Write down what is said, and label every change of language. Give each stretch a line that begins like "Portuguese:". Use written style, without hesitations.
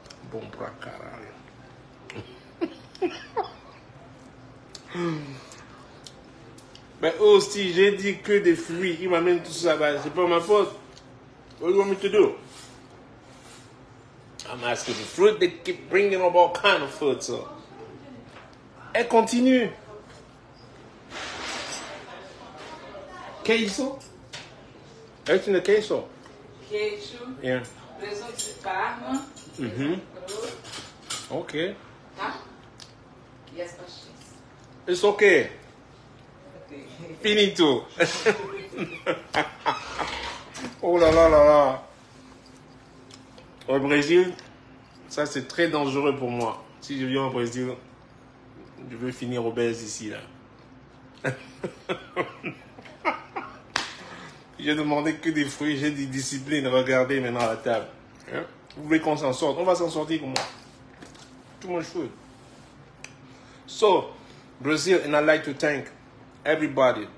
Portuguese: Bon pra caralho. Mmh.
French: Mais hostie, j'ai dit que des fruits, il m'amène tout ça, bah, c'est pas ma faute.
English: What do you want me to do? I'm asking the fruit, they keep bringing up all kinds of food, so.
French: Et continue. Queso? Est-ce que c'est queso?
Spanish: Queso.
English: Yeah.
Spanish: Queso de Parma.
English: Mm-hmm. Okay. Yes, pastries. It's okay. Finito.
French: Oh là là là là. Au Brésil, ça c'est très dangereux pour moi. Si je viens au Brésil, je veux finir obèse ici là. J'ai demandé que des fruits, j'ai dit discipline, regardez maintenant à la table. Vous voulez qu'on s'en sorte? On va s'en sortir comment?
English: Too much food. So, Brazil, and I'd like to thank everybody.